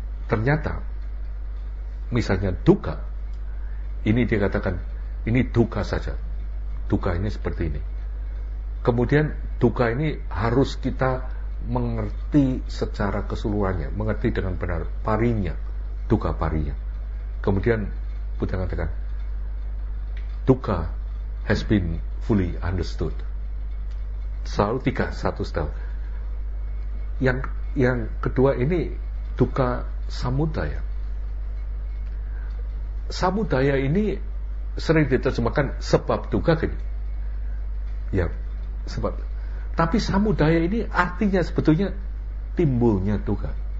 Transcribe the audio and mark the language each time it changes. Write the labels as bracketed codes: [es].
[id] Ternyata misalnya duka ini dikatakan ini duka saja, duka ini seperti ini, kemudian duka ini harus kita mengerti secara keseluruhannya, mengerti dengan benar parinya, duka parinya. Kemudian Buddha mengatakan duka [en] has been fully understood. [id] Selalu tiga, satu style. Yang kedua ini duka samudaya. Samudaya ini sering diterjemahkan sebab duka gini. Ya, sebab. Tapi samudaya ini artinya sebetulnya timbulnya duka.